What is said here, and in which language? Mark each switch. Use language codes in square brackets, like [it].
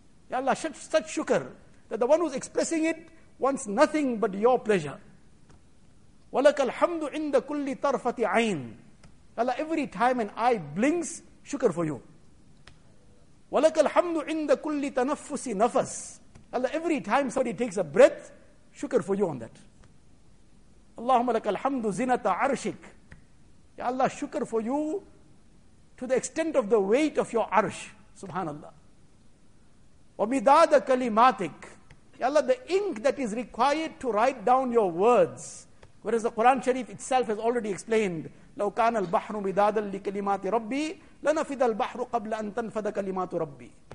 [en] Ya Allah, such shukr that the one who's expressing it wants nothing but your pleasure. [ar] وَلَكَ الْحَمْدُ عِنْدَ كُلِّ طَرْفَةِ عَيْنِ. [en] Ya Allah, every time an eye blinks, shukr for you. [ar] وَلَكَ الْحَمْدُ عِنْدَ كُلِّ تَنَفُّسِ نَفَسِ. [en] Ya Allah, every time somebody takes a breath, shukr for you on that. [ar] اللهم لك الحمد زينة عرشك. [en] Ya Allah, shukr for you to the extent of the weight of your arsh. [ar] Subhanallah. وَمِدَادَ كَلِمَاتِكَ. [en] Ya Allah, the ink that is required to write down your words. Whereas the Quran Sharif itself has already explained, [ar] لَوْ كَانَ الْبَحْرُ مِدَادًا لِكَلِمَاتِ رَبِّي لَنَفِدَ الْبَحْرُ قَبْلَ أَن تَنْفَدَ كَلِمَاتُ رَبِّي.